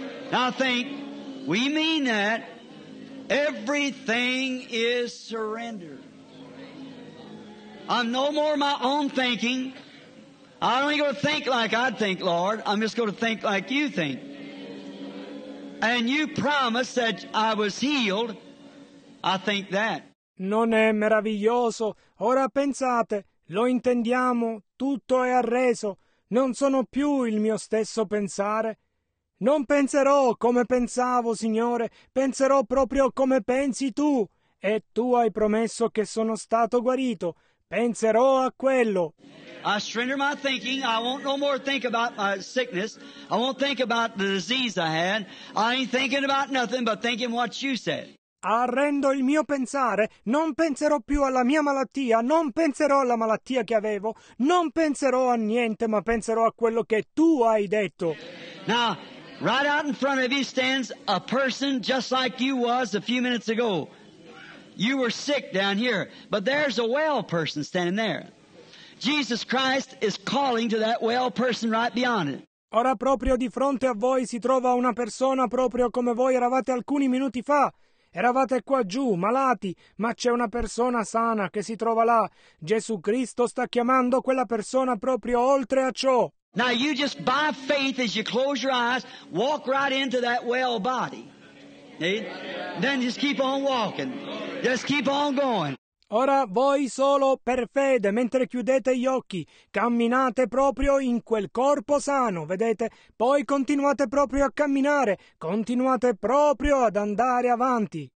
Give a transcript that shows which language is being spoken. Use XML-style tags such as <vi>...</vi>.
<en>Now think, we mean that everything is surrendered. I'm no more my own thinking. I don't even go to think like I think, Lord. I'm just going to think like you think. And you promised that I was healed. I think that.</en> <it>Non è meraviglioso. Ora pensate, lo intendiamo, tutto è arreso. Non sono più il mio stesso pensare. Non penserò come pensavo, Signore. Penserò proprio come pensi tu. E tu hai promesso che sono stato guarito. Penserò a quello.</it> <en>I surrender my thinking. I won't no more think about my sickness. I won't think about the disease I had. I ain't thinking about nothing but thinking what you said.</en> <it>Arrendo il mio pensare, non penserò più alla mia malattia, non penserò alla malattia che avevo, non penserò a niente, ma penserò a quello che tu hai detto.</it> <en>Now, right out in front of you stands a person just like you was a few minutes ago. You were sick down here, but there's a well person standing there. Jesus Christ is calling to that well person right beyond it.</en> <it>Ora proprio di fronte a voi si trova una persona proprio come voi eravate alcuni minuti fa. Eravate qua giù, malati, ma c'è una persona sana che si trova là. Gesù Cristo sta chiamando quella persona proprio oltre a ciò.</it> <en>Now you just by faith as you close your eyes, walk right into that well body. Then just keep on walking. Just keep on going.</en> <it>Ora voi solo per fede, mentre chiudete gli occhi, camminate proprio in quel corpo sano, vedete? Poi continuate proprio a camminare, continuate proprio ad andare avanti.</it>